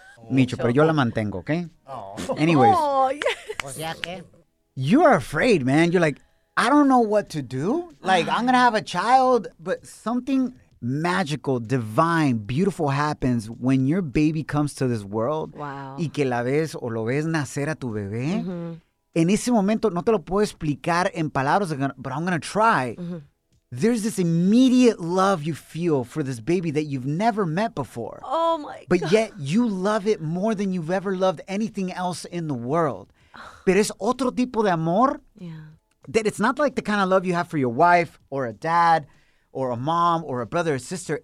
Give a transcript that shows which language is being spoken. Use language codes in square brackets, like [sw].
[es] Micho, pero yo la mantengo, okay? Oh. [en] Anyways. Oh, yes. Yeah, okay. You're afraid, man. You're like, I don't know what to do. Like, I'm going to have a child. But something magical, divine, beautiful happens when your baby comes to this world. Wow. [es] Y que la ves o lo ves nacer a tu bebé. Mm-hmm. En ese momento, no te lo puedo explicar en palabras, [en] but I'm going to try. [es] Mm-hmm. [en] There's this immediate love you feel for this baby that you've never met before. Oh, my God. But yet, you love it more than you've ever loved anything else in the world. [es] Pero es otro tipo de amor. [en] Yeah. That it's not like the kind of love you have for your wife or a dad or a mom or a brother or sister.